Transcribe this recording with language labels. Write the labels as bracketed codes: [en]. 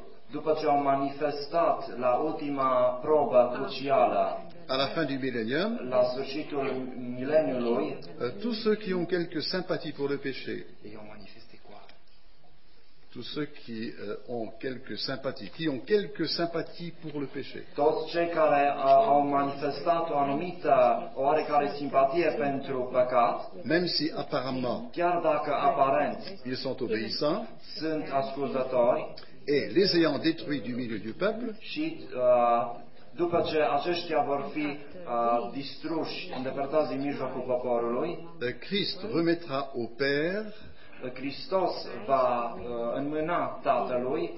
[ro] după ce au manifestat la ultima probă crucială, [fr] à la fin du millénium, [ro] la sfârșitul mileniului, [fr] tous ceux qui ont quelques sympathies pour le péché, et ont manifesté quoi? Tous ceux qui ont quelques sympathies, qui ont quelques sympathies pour le péché, [ro] toți cei care au manifestat o anumită, oarecare simpatie pentru păcat, [fr] même si apparemment, [ro] chiar dacă aparent, [fr] ils sont obéissants, [ro] sunt ascultători, [fr] et les ayant détruits du milieu du peuple, [ro] și, după ce aceștia vor fi distruși, îndepărtați din mijlocul poporului, [fr] Christ remettra au Père, [ro] Christos va înmâna Tatălui